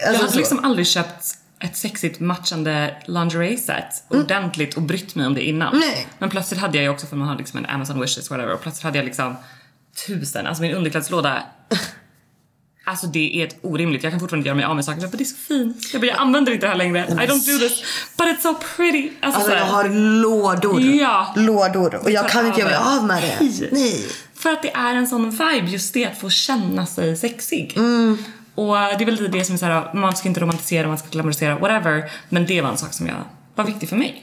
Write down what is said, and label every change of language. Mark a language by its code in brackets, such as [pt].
[sv] Alltså, jag har liksom aldrig köpt ett sexigt matchande lingerie set ordentligt och brytt mig om det innan. Nej. Men plötsligt hade jag ju också, för man har liksom en Amazon Wishes whatever, och plötsligt hade jag liksom 1000, alltså min underklädslåda Alltså det är ett orimligt. Jag kan fortfarande göra mig av med saker, men det är så fint. Jag använder inte det här längre. [en] I don't do this, but it's so pretty. [sv] Alltså jag har lådor. Ja. Lådor. Och jag kan inte göra mig av med det. Nej. Nej. För att det är en sån vibe just det, att få känna sig sexig. Mm. Och det är väl det som är så här, man ska inte romantisera, man ska glamorisera, whatever. Men det var en sak som jag var viktig för mig.